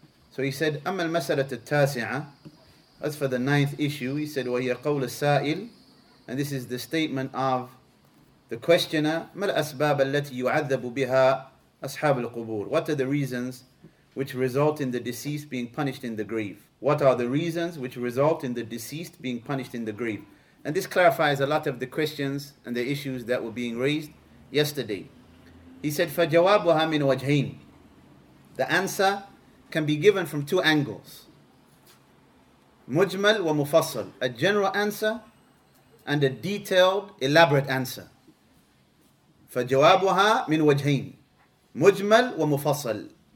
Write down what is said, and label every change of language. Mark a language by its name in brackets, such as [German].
[English] So he said, [Arabic] أَمَّا الْمَسَلَةَ التَّاسِعَةَ, [English] as for the ninth issue, he said, [Arabic] وَهِيَ قَوْلَ السَّائِلِ, [English] and this is the statement of the questioner, [Arabic] مَا الْأَسْبَابَ الَّتِي يُعَذَّبُ بِهَا أَصْحَابُ الْقُبُورِ, [English] what are the reasons which result in the deceased being punished in the grave? What are the reasons which result in the deceased being punished in the grave? And this clarifies a lot of the questions and the issues that were being raised yesterday. He said, [Arabic] فَجَوَابُهَا مِنْ وَجْهَيْنِ. [English] The answer can be given from two angles. [Arabic] مُجْمَلْ وَمُفَصَّلْ. [English] A general answer and a detailed, elaborate answer. [Arabic] فَجَوَابُهَا مِنْ وَجْهَيْنِ. مُجْمَلْ وَمُفَصَّلْ.